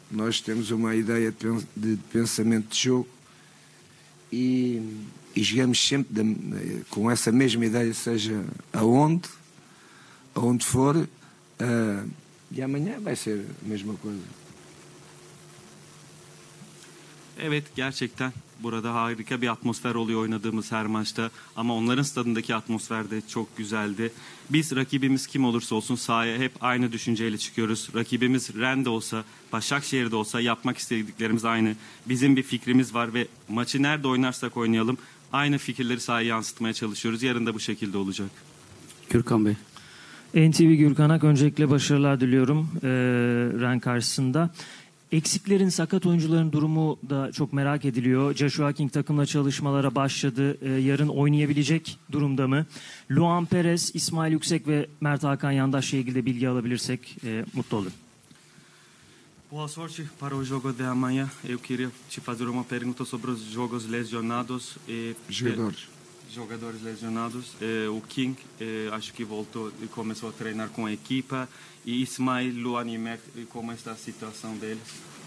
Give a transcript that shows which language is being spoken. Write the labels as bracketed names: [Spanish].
[Portuguese] Nós temos uma ideia de pensamento de jogo e jogamos sempre com essa mesma ideia, seja aonde for. E amanhã vai ser a mesma coisa. [Turkish] Evet, gerçekten burada harika bir atmosfer oluyor oynadığımız her maçta. Ama onların stadındaki atmosfer de çok güzeldi. Biz rakibimiz kim olursa olsun sahaya hep aynı düşünceyle çıkıyoruz. Rakibimiz Rennes de olsa, Başakşehir de olsa yapmak istediklerimiz aynı. Bizim bir fikrimiz var ve maçı nerede oynarsak oynayalım aynı fikirleri sahaya yansıtmaya çalışıyoruz. Yarın da bu şekilde olacak. Gürkan Bey. NTV Gürkan Ak, öncelikle başarılar diliyorum Rennes karşısında. Eksiklerin, sakat oyuncuların durumu da çok merak ediliyor. Joshua King takımla çalışmalara başladı. Yarın oynayabilecek durumda mı? Luan Perez, İsmail Yüksek ve Mert Hakan Yandaş'la ilgili de bilgi alabilirsek mutlu olur. [Portuguese] Boa sorte para o jogo de amanhã. Eu queria te fazer uma pergunta sobre os jogos lesionados e jogadores lesionados. O King, acho que voltou e começou a treinar com a equipa. E Ismael, Luan e Mert, como está a situação deles?